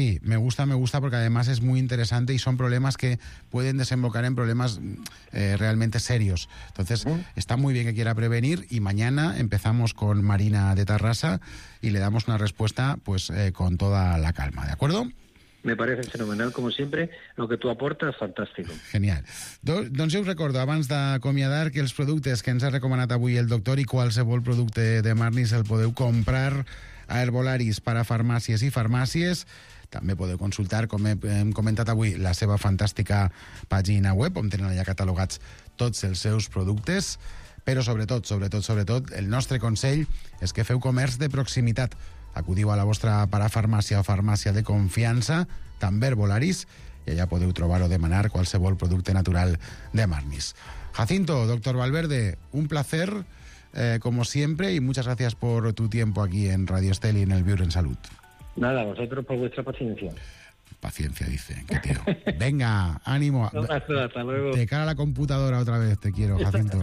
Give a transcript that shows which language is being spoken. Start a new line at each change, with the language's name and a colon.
Spanish: Sí, me gusta, porque además es muy interesante y son problemas que pueden desembocar en problemas realmente serios. Entonces, está muy bien que quiera prevenir, y mañana empezamos con Marina de Tarrasa y le damos una respuesta pues con toda la calma, ¿de acuerdo? Me parece fenomenal, como siempre, lo que tú aportas, fantástico. Genial.
Catalan: Doncs jo us recordo, abans d'acomiadar, que els productes que ens ha recomanat avui el doctor i qualsevol producte de Marnis el podeu comprar a Herbolaris para farmàcies i farmàcies. També podeu consultar, com hem comentat avui, la seva fantàstica pàgina web, on tenen allà catalogats tots els seus productes. Però sobretot, sobretot, sobretot, el nostre consell és que feu comerç de proximitat. Acudiu a la vostra parafarmàcia o farmàcia de confiança, també Herbolaris, i allà podeu trobar o demanar qualsevol producte natural de Marnis.
Spanish: Jacinto, doctor Valverde, un placer, como siempre, y muchas gracias por tu tiempo aquí en Radio Estel y en el Viure en Salud. Nada, vosotros por vuestra paciencia. Paciencia, dice. Qué tío. Venga, ánimo. No pasa, hasta luego. De cara a la computadora otra vez, te quiero, Jacinto.